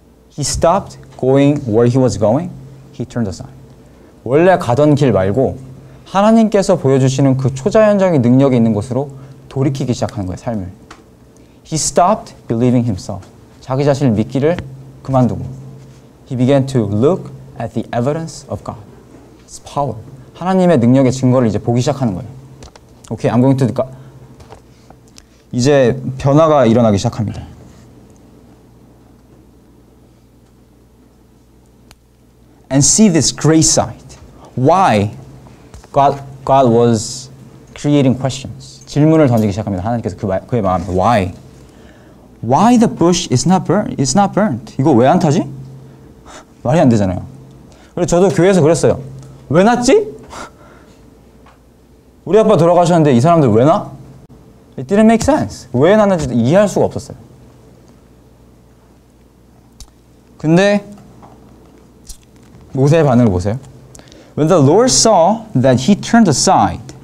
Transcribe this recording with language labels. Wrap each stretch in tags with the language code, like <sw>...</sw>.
<en>He stopped going where he was going. He turned aside.</en> <ko>원래 가던 길 말고 하나님께서 보여주시는 그 초자연적인 능력이 있는 곳으로 돌이키기 시작하는 거예요, 삶을.</ko> <en>He stopped believing himself.</en> <ko>자기 자신을 믿기를 그만두고.</ko> <en>He began to look at the evidence of God's power.</en> <ko>하나님의 능력의 증거를 이제 보기 시작하는 거예요.</ko> <en>Okay, I'm going to...</en> <ko>이제 변화가 일어나기 시작합니다.</ko> <en>'And see this grace side. Why God was creating questions.</en> <ko>질문을 던지기 시작합니다. 하나님께서 그의 마음에</ko> <en>why? Why the bush is not burnt?</en> <ko>이거 왜 안 타지? 말이 안 되잖아요. 그래서 저도 교회에서 그랬어요. 왜 났지? 우리 아빠 돌아가셨는데 이 사람들 왜 나?</ko> <en>It didn't make sense.</en> <ko>왜 났는지 이해할 수가 없었어요. 근데 모세의 반응을 보세요.</ko> <en>When the Lord saw that he turned aside.</en>